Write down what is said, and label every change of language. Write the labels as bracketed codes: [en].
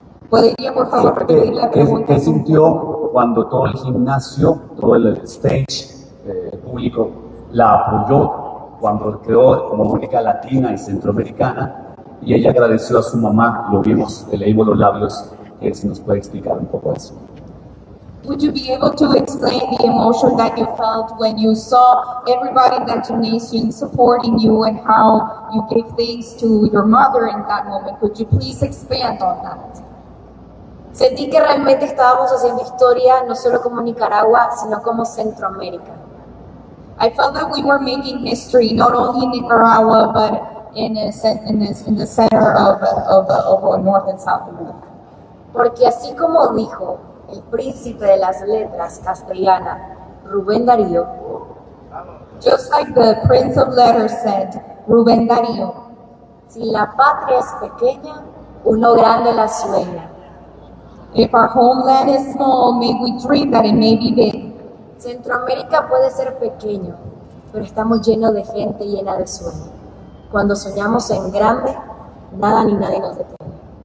[es] ¿Podría, por favor, repetir la pregunta? ¿Qué sintió cuando todo el gimnasio, todo el stage público la apoyó cuando quedó como única latina y centroamericana y ella agradeció a su mamá? Lo vimos, le leímos los labios. Si nos puede explicar un poco eso. [en] Would you be able to explain the emotion that you felt when you saw everybody in that gymnasium supporting you and how you gave thanks to your mother in that moment? Could you please expand on that? [es] Sentí que realmente estábamos haciendo historia, no solo como Nicaragua, sino como Centroamérica. [en] I felt that we were making history, not only in Nicaragua, but in the center of North and South America. [es] Porque así como dijo el príncipe de las letras castellana, Rubén Darío. [en] Just like the prince of letters said, Rubén Darío. [es] Si la patria es pequeña, uno grande la sueña. [en] If our homeland is small, may we dream that it may be big. [es] Centroamérica puede ser pequeño, pero estamos llenos de gente llena de sueños. Cuando soñamos en grande, nada ni nadie nos detiene.